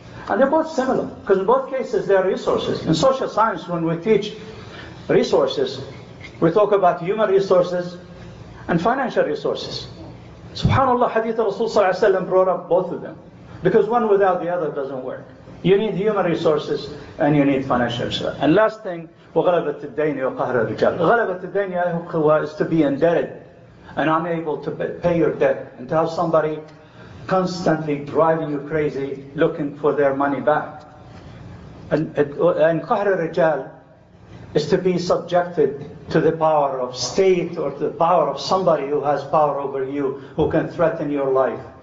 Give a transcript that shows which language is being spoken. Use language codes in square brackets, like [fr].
[en] And they're both similar, because in both cases they're resources. In social science, when we teach resources, we talk about human resources and financial resources. SubhanAllah, Hadith of Rasul Sallallahu Alaihi Wasallam brought up both of them, because one without the other doesn't work. You need human resources and you need financial resources. And last thing, [ar] وَغَلَبَتِ الدَّيْنِ وَقَهْرَ الرِّجَالِ. غَلَبَتِ الدَّيْنِ يَا أَيُّهَا [en] is to be indebted and unable to pay your debt, and to have somebody constantly driving you crazy looking for their money back. And [ar] قَهْرَ الرِّجَالِ [en] is to be subjected to the power of state, or to the power of somebody who has power over you, who can threaten your life.